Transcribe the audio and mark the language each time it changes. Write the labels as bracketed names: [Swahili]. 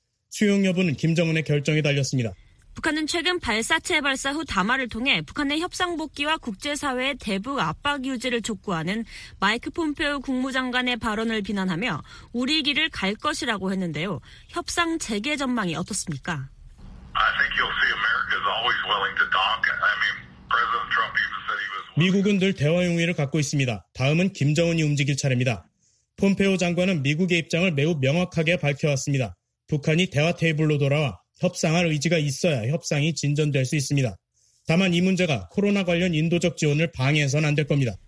[Korean] 수용 여부는 김정은의 결정에 달렸습니다. 북한은 최근 발사체 발사 후 담화를 통해 북한의 협상 복귀와 국제사회의 대북 압박 유지를 촉구하는 마이크 폼페오 국무장관의 발언을 비난하며 우리 길을 갈 것이라고 했는데요. 협상 재개 전망이 어떻습니까? [English] I think you'll see America is always willing to talk. I mean, President Trump even said he was. [Korean] 미국은 늘 대화 용의를 갖고 있습니다. 다음은 김정은이 움직일 차례입니다. 폼페오 장관은 미국의 입장을 매우 명확하게 밝혀왔습니다. 북한이 대화 테이블로 돌아와 협상할 의지가 있어야 협상이 진전될 수 있습니다. 다만 이 문제가 코로나 관련 인도적 지원을 방해해서는 안 될 겁니다.